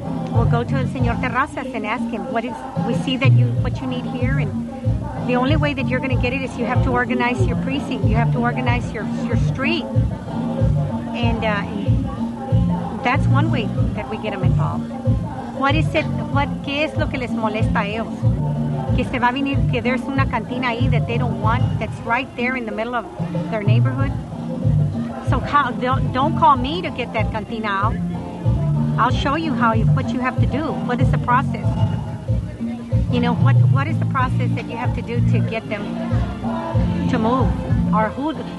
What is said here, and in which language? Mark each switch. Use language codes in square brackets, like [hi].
[en] We'll go to el Señor Terrazas and ask him, what you need here? And the only way that you're going to get it is you have to organize your precinct. You have to organize your street. And that's one way that we get them involved. What is it? [es] ¿Qué es lo que les molesta a ellos? Que se va a venir, que [en] there's [es] una cantina ahí [en] that they don't want, that's right there in the middle of their neighborhood. So don't call me to get that cantina out. I'll show you what you have to do. What is the process? You know, what is the process that you have to do to get them to move? Or who?